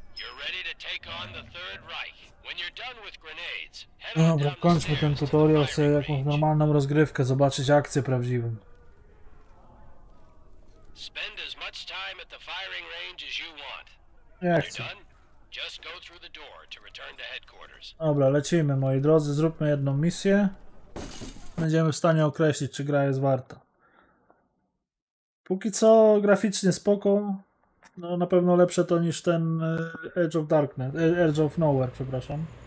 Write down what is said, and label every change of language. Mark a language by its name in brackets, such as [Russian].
[English] You're ready to take on the Third Reich. When you're done with grenades, [Polish] no dobra, kończmy ten tutorial, sobie jakąś normalną rozgrywkę, zobaczyć akcję prawdziwą. [English] Spend as much time at the firing range as you want. [Polish] Jak chcę. [English] Just go through the door to return to headquarters. [Polish] Dobra, lecimy moi drodzy, zróbmy jedną misję. Będziemy w stanie określić, czy gra jest warta. Póki co graficznie spoko. No, na pewno lepsze to niż ten Edge of Darkness. Edge of Nowhere, przepraszam.